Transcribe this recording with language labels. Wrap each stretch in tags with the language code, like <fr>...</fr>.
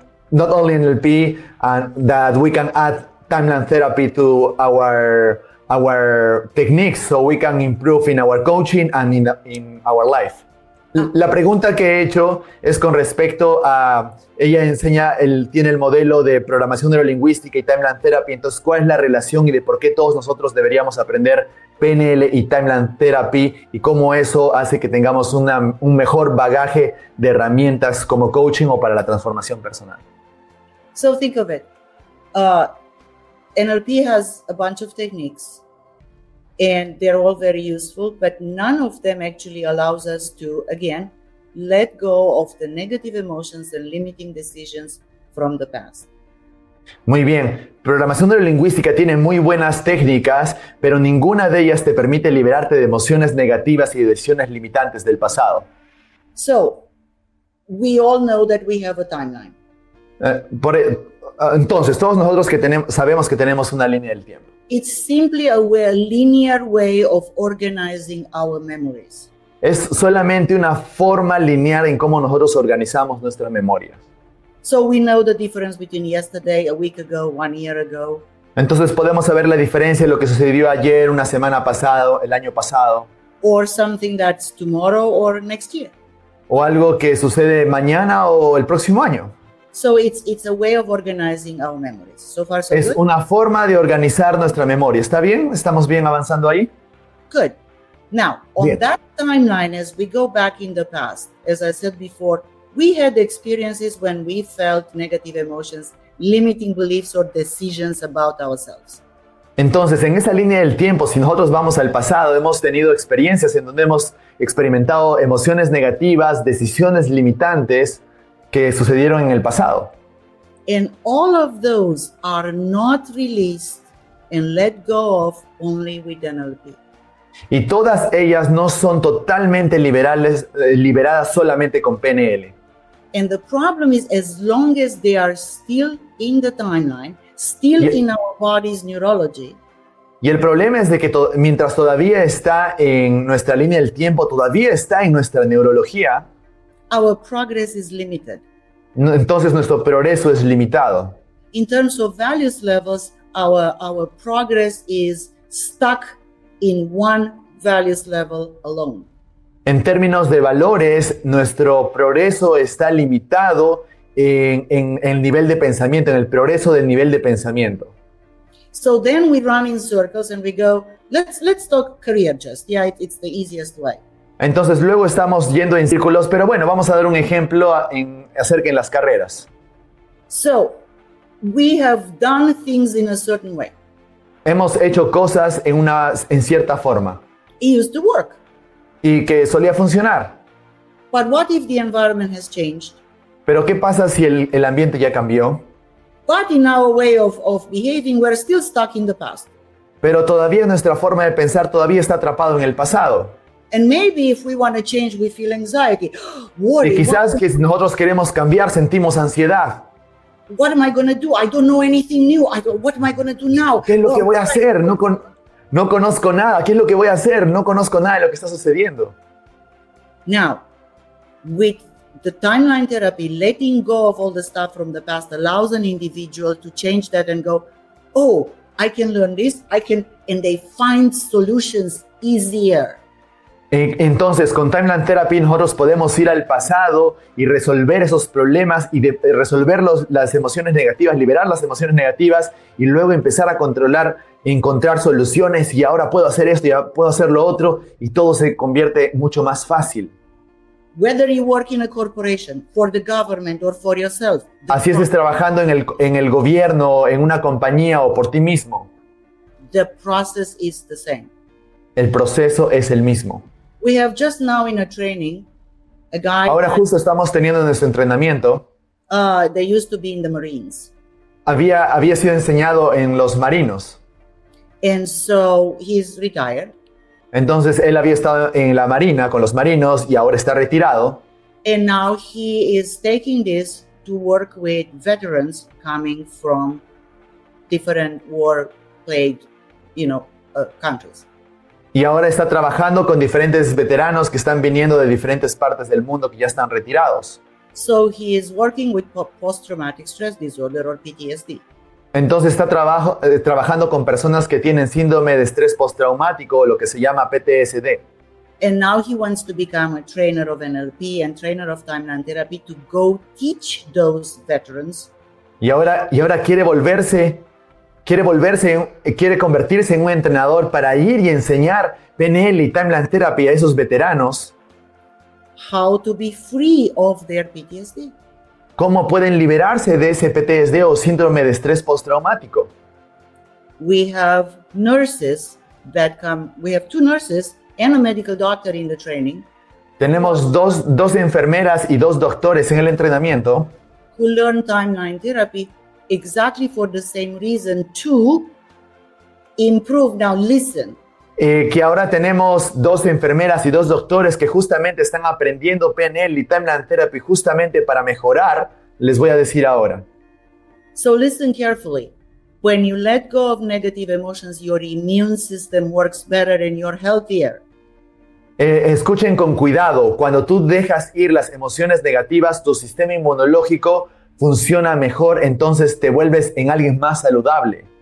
<en>Not only NLP, and that we can add Timeline Therapy to our techniques so we can improve in our coaching and in our life.</en> <es>La pregunta que he hecho es con respecto a, ella enseña, tiene el modelo de programación neurolingüística y Timeline Therapy, entonces ¿cuál es la relación y de por qué todos nosotros deberíamos aprender PNL y Timeline Therapy y cómo eso hace que tengamos un mejor bagaje de herramientas como coaching o para la transformación personal?</es> <en>So think of it. NLP has a bunch of techniques and they're all very useful, but none of them actually allows us to, again, let go of the negative emotions and limiting decisions from the past.</en> <es>Muy bien. Programación neurolingüística tiene muy buenas técnicas, pero ninguna de ellas te permite liberarte de emociones negativas y decisiones limitantes del pasado.</es> <en>So, we all know that we have a timeline.</en> <es>Entonces, todos nosotros que sabemos que tenemos una línea del tiempo.</es> <en>It's simply a linear way of organizing our memories.</en> <es>Es solamente una forma lineal en cómo nosotros organizamos nuestra memoria.</es> <en>So we know the difference between yesterday, a week ago, 1 year ago.</en> <es>Entonces podemos saber la diferencia de lo que sucedió ayer, una semana pasado, el año pasado.</es> <en>Or something that's tomorrow or next year.</en> <es>O algo que sucede mañana o el próximo año.</es> <en>So it's a way of organizing our memories. So far, so good.</en> <es>Es una forma de organizar nuestra memoria. ¿Está bien? ¿Estamos bien avanzando ahí?</es> <en>Good. Now, on bien. That timeline, as we go back in the past, as I said before, we had experiences when we felt negative emotions, limiting beliefs or decisions about ourselves.</en> <es>Entonces, en esa línea del tiempo, si nosotros vamos al pasado, hemos tenido experiencias en donde hemos experimentado emociones negativas, decisiones limitantes que sucedieron en el pasado.</es> <en>And all of those are not released and let go of only with NLP.</en> <es>Y todas ellas no son totalmente liberadas solamente con PNL.</es> <en>And the problem is as long as they are still in the timeline, still in our body's neurology.</en> <es>Y el problema es de que mientras todavía está en nuestra línea del tiempo, todavía está en nuestra neurología.</es> <en>Our progress is limited.</en> <es>Entonces nuestro progreso es limitado.</es> <en>In terms of values levels, our progress is stuck in one values level alone.</en> <es>En términos de valores, nuestro progreso está limitado en el nivel de pensamiento, en el progreso del nivel de pensamiento.</es> <en>So then we run in circles and we go, let's talk career just. Yeah, it's the easiest way.</en> <es>Entonces luego estamos yendo en círculos, pero bueno, vamos a dar un ejemplo acerca de las carreras.</es> <en>So, we have done things in a certain way.</en> <es>Hemos hecho cosas en cierta forma.</es> <en>It used to work.</en> <es>Y que solía funcionar.</es> <en>But what if the environment has changed?</en> <es>Pero ¿qué pasa si el ambiente ya cambió?</es> <en>But in our way of behaving, we're still stuck in the past.</en> <es>Pero todavía nuestra forma de pensar todavía está atrapado en el pasado.</es> <en>And maybe if we want to change, we feel anxiety. Worry,</en> <es>y quizás que si nosotros queremos cambiar, sentimos ansiedad.</es> <en>What am I going to do? I don't know anything new. What am I going to do now?</en> <es>¿Qué es lo que voy a hacer? No conozco nada. ¿Qué es lo que voy a hacer? No conozco nada de lo que está sucediendo.</es> <en>Now, with the timeline therapy, letting go of all the stuff from the past allows an individual to change that and go, oh, I can learn this. I can, and they find solutions easier.</en> <es>Entonces, con Timeline Therapy, nosotros podemos ir al pasado y resolver esos problemas y resolver las emociones negativas, liberar las emociones negativas y luego empezar a controlar, encontrar soluciones y ahora puedo hacer esto y puedo hacer lo otro y todo se convierte mucho más fácil.</es> <en>Whether you work in a corporation, for the government or for yourself.</en> <es>Así es trabajando en el gobierno, en una compañía o por ti mismo.</es> <en>The process is the same.</en> <es>El proceso es el mismo.</es> <en>We have just now in a training, a guy.</en> <es>Ahora justo estamos teniendo nuestro entrenamiento.</es> <en>They used to be in the Marines.</en> <es>Había sido enseñado en los marinos.</es> <en>And so he's retired.</en> <es>Entonces él había estado en la marina con los marinos y ahora está retirado.</es> <en>And now he is taking this to work with veterans coming from different war-plagued, countries.</en> <es>Y ahora está trabajando con diferentes veteranos que están viniendo de diferentes partes del mundo que ya están retirados.</es> <en>So he is working with post-traumatic stress disorder or PTSD.</en> <es>Entonces está trabajando con personas que tienen síndrome de estrés postraumático o lo que se llama PTSD.</es> <en>And now he wants to become a trainer of NLP and trainer of timeline therapy to go teach those veterans.</en> <es>Y ahora quiere convertirse en un entrenador para ir y enseñar PNL y Timeline Therapy a esos veteranos.</es> <en>How to be free of their PTSD.</en> <es>¿Cómo pueden liberarse de ese PTSD o síndrome de estrés postraumático?</es> <en>We have nurses that come. We have two nurses and a medical doctor in the training.</en> <es>Tenemos dos enfermeras y dos doctores en el entrenamiento.</es> <en>Who learn Timeline Therapy. Exactly for the same reason to improve. Now listen.</en> <es>Que ahora tenemos dos enfermeras y dos doctores que justamente están aprendiendo PNL y Timeline Therapy justamente para mejorar. Les voy a decir ahora.</es> <en>So listen carefully. When you let go of negative emotions, your immune system works better and you're healthier.</en> <es>Escuchen con cuidado. Cuando tú dejas ir las emociones negativas, tu sistema inmunológico funciona mejor, entonces te vuelves en alguien más saludable.</es>